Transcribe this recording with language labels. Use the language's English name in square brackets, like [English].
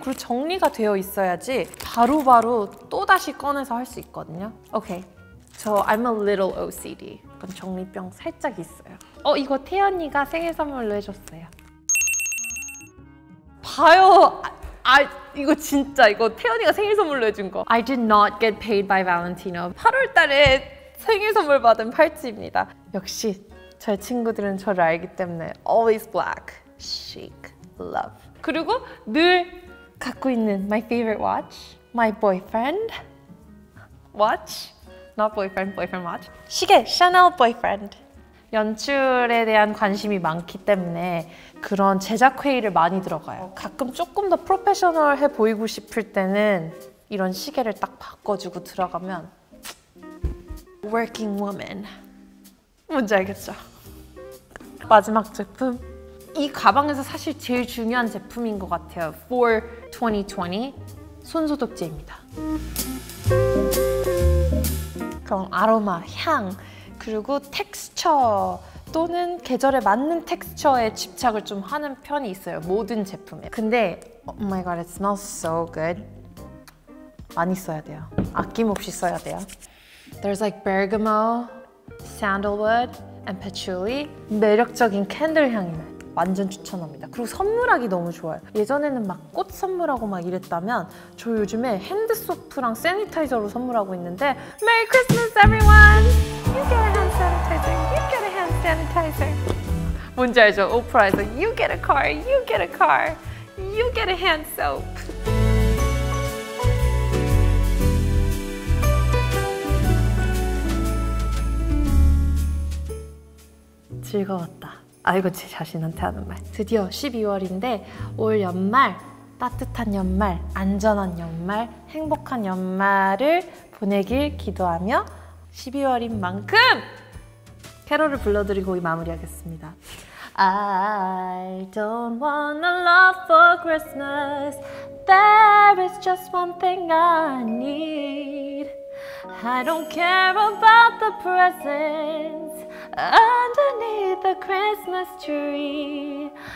[Korean] 그리고 정리가 되어 있어야지 바로바로 또다시 꺼내서 할 수 있거든요. 오케이. 저 [English] I'm a little OCD. [Korean] 그럼 정리병 살짝 있어요. 이거 태연이가 생일 선물로 해줬어요. 봐요! 이거 진짜 이거 태연이가 생일 선물로 해준 거. [English] I did not get paid by Valentino. [Korean] 8월 달에 생일 선물 받은 팔찌입니다. 역시 저의 친구들은 저를 알기 때문에 [English] always black, chic, love. [Korean] 그리고 늘 갖고 있는 [English] my favorite watch, my boyfriend watch, not boyfriend, boyfriend watch. [Korean] 시계, Chanel boyfriend. 연출에 대한 관심이 많기 때문에 그런 제작 회의를 많이 들어가요. 가끔 조금 더 프로페셔널해 보이고 싶을 때는 이런 시계를 딱 바꿔주고 들어가면 [English] Working woman. [Korean] 뭔지 알겠죠? 마지막 제품. 이 가방에서 사실 제일 중요한 제품인 것 같아요. For 2020 손소독제입니다. 그런 아로마, 향. 그리고 텍스처 또는 계절에 맞는 텍스처에 집착을 좀 하는 편이 있어요. 모든 제품에. 근데 [English] Oh my god, it smells so good. [Korean] 많이 써야 돼요. 아낌없이 써야 돼요. [English] There's like bergamot, sandalwood, and patchouli. [Korean] 매력적인 캔들 향이네. 완전 추천합니다. 그리고 선물하기 너무 좋아요. 예전에는 막 꽃 선물하고 막 이랬다면 저 요즘에 핸드소프랑 세니타이저로 선물하고 있는데 [English] Merry Christmas, everyone! You get a hand sanitizer, you get a hand sanitizer. [Korean] 뭔지 알죠? 오프라에서 [English] You get a car, you get a car, you get a hand soap. [Korean] 즐거웠다. 아이고 제 자신한테 하는 말. 드디어 12월인데 올 연말 따뜻한 연말, 안전한 연말, 행복한 연말을 보내길 기도하며 12월인 만큼 캐롤을 불러드리고 마무리하겠습니다. [English] I don't want a lot for Christmas. There is just one thing I need. I don't care about the presents underneath the Christmas tree.